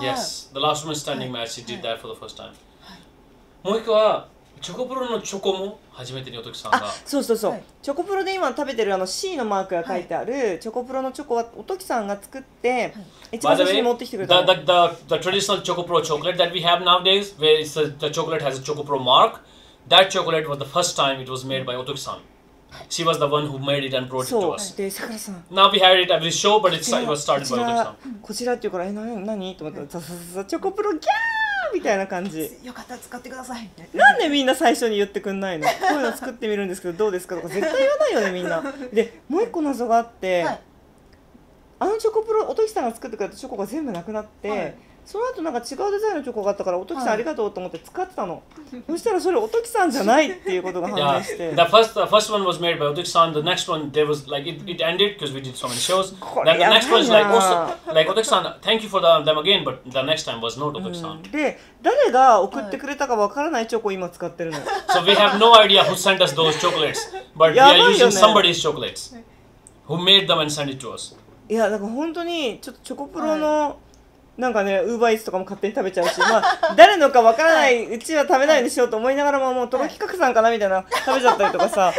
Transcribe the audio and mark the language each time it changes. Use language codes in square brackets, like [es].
[en] Yes, the last woman standing match, she did that for the first time. [ja] もう一個はチョコプロのチョコも初めてにおときさんが。そうそうそう。チョコプロで今食べてるあの C のマークが書いてあるチョコプロのチョコはおときさんが作って一番最初に持ってきてくれた。 [en] The traditional chocopro chocolate that we have nowadays, where it's the chocolate has a chocopro mark, that chocolate was the first time it was made by おときさん。 She was the one who made it and brought it to us. [ja] で、さくらさん。 [en] Now we had it every show, but it was started by Otoki-san. [ja] こちらっていうから、何と思ったら、ザザザチョコプロギャーみたいな感じ。よかったら使ってください。なんでみんな最初に言ってくんないの？こういうの作ってみるんですけど、どうですかとか絶対言わないよね、みんな。で、もう一個謎があって、あのチョコプロ、Otoki-san が作ってくれたチョコが全部なくなって、その後なんか違うデザインのチョコがあったから、おときさんありがとうと思って使ってたの。そしたらそれおときさんじゃないっていうことが判明して。 [en] Yeah. The first one was made by Otoki-san. The next one, there was like it ended because we did so many shows. Then the next one is like also like Otoki-san, thank you for them again, but the next time was not Otoki-san. [ja] で誰が送ってくれたかわからないチョコを今使ってるの。 [en] So we have no idea who sent us those chocolates, but we are using somebody's chocolates. Who made them and sent it to us? [ja] いやなんか本当にちょっとチョコプロの、はい。なんかね、ウーバーイーツとかも勝手に食べちゃうし、まあ、誰のかわからないうちは食べないでしょうと思いながらも、もうトロ企画さんかなみたいな食べちゃったりとかさ、